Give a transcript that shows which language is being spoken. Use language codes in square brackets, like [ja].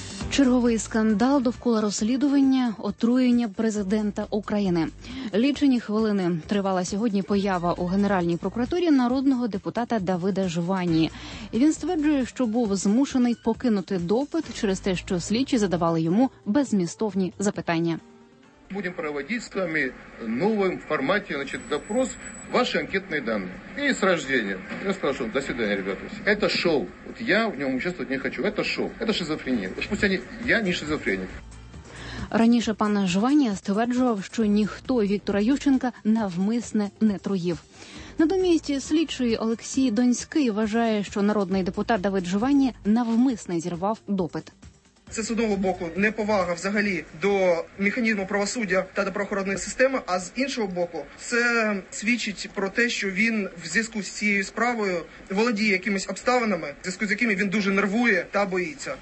[uk] Черговий скандал довкола розслідування отруєння президента України. Лічені хвилини тривала сьогодні поява у Генеральній прокуратурі народного депутата Давида Жвані. Він стверджує, що був змушений покинути допит через те, що слідчі задавали йому беззмістовні запитання. [ru] будем проводить с вами в новом формате, значит, допрос, ваши анкетные данные. И с рождения. Я спрашиваю, до свидания, ребята. Это шоу. Вот я в нем участвовать не хочу. Это шоу. Это шизофрения. Пусть они... Я не шизофреник. [uk] Раніше пан Жванія стверджував, що ніхто Віктора Ющенка навмисне не труїв. Натомість слідчий Олексій Донський вважає, що народний депутат Давид Жванія навмисне зірвав допит. Це з одного боку неповага взагалі до механізму правосуддя та до правоохоронної системи, а з іншого боку це свідчить про те, що він в зв'язку з цією справою володіє якимись обставинами, в зв'язку з якими він дуже нервує та боїться.